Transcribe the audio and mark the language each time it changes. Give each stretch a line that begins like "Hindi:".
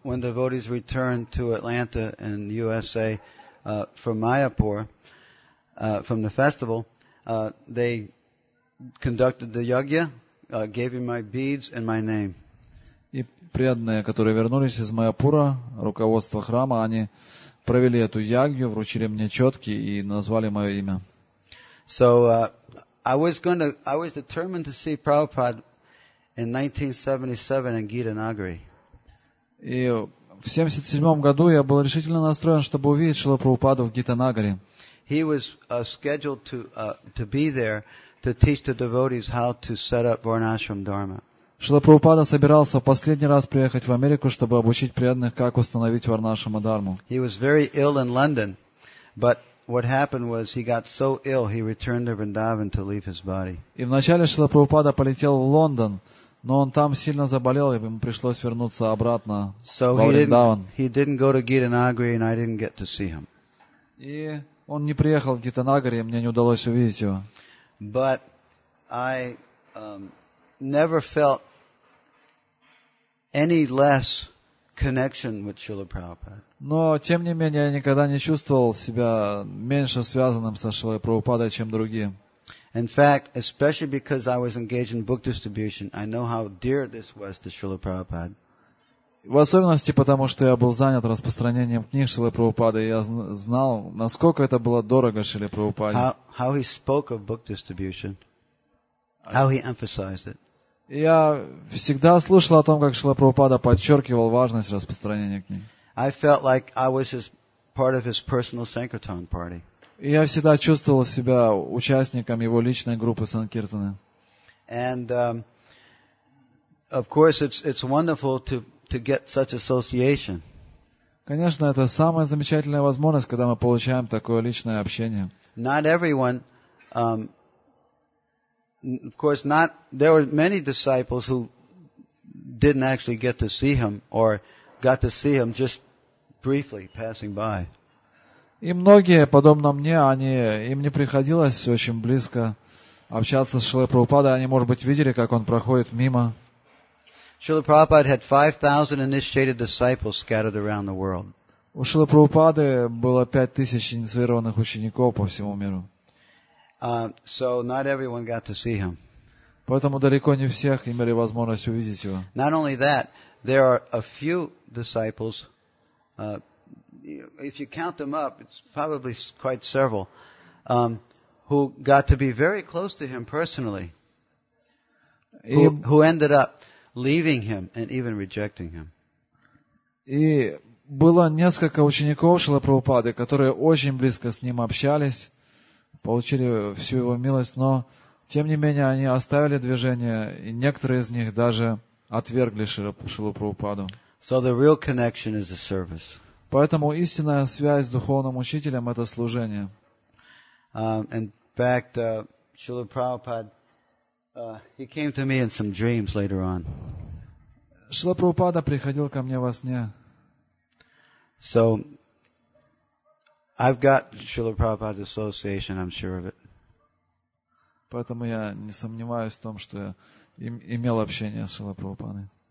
English: When the devotees returned to Atlanta and USA from Mayapur, from the festival, they conducted the yagya, gave him my beads and my name.
Russian: И преданные, которые вернулись из Майапура, руководство храма, они провели эту ягью, вручили мне четки и назвали мое имя.
English: So I was determined to see Prabhupada in 1977 in Gita Nagari.
Russian: И в 77 году я был решительно настроен, чтобы увидеть Шрилу Прабхупаду в Гита Нагари.
English: He was scheduled to be there to teach the devotees how to set up Varnashram Dharma.
Russian: Шрила Прабхупада собирался в последний раз приехать в Америку, чтобы обучить преданных, как установить Варнашрама Дхарму.
English: He was very ill in London, but what happened was he got so ill he returned to Vrindavan to leave his body.
Russian: И вначале Шрила Прабхупада полетел в Лондон, но он там сильно заболел, и ему пришлось вернуться обратно в Вриндаван.
English: So he didn't go to Gita Nagari, and I didn't get to see him.
Russian: И он не приехал в Гита Нагари, и мне не удалось увидеть его.
English: But I never felt any less connection with Srila Prabhupada.
Russian: Но тем не менее я никогда не чувствовал себя меньше связанным со Шрилой Прабхупадой, чем другие.
English: In fact, especially because I was engaged in book distribution, I know how dear this was to Srila Prabhupada.
Russian: В особенности потому, что я был занят распространением книг Шрилы Прабхупады, я знал, насколько это было дорого Шриле Прабхупаде.
English: How he spoke of book distribution. How he emphasized it.
Russian: Я всегда слышал о том, как Шрила Прабхупада подчеркивал важность распространения книг.
English: I felt like I was his, part of his personal Sankirtan party.
Russian: И я всегда чувствовал себя участником его личной группы Санкиртаны.
English: And of course it's wonderful to get such association.
Russian: Конечно, это самая замечательная возможность, когда мы получаем такое личное общение.
English: Not everyone of course, not. There were many disciples who didn't actually get to see him, or got to see him just briefly passing by.
Russian: И многие, подобно мне, им не приходилось очень близко общаться с Шрилой Прабхупадой. Они, может быть, видели, как он проходит мимо.
English: Шрила Прабхупада had 5,000 initiated disciples scattered around the world.
Russian: У Шрилы Прабхупады было 5,000 инициированных учеников по всему миру.
English: So not everyone got to see him.
Russian: Поэтому далеко не всех имели возможность увидеть его.
English: Not only that, there are a few disciples, if you count them up, it's probably quite several, who got to be very close to him personally, who ended up leaving him and even rejecting him.
Russian: И было несколько учеников Шрилы Прабхупады, которые очень близко с ним общались, получили всю его милость, но тем не менее они оставили движение, и некоторые из них даже отвергли Шрилу Прабхупаду.
English: So the real connection is the service.
Russian: Поэтому истинная связь с духовным учителем — это служение.
English: In fact, Srila Prabhupada, he came to me in some dreams later on.
Russian: Шрила Прабхупада приходил ко мне во сне.
English: So I've got Srila Prabhupada's association, I'm sure of it.
Russian: Поэтому я не сомневаюсь в том, что я имел общение с Шрилой Прабхупадой.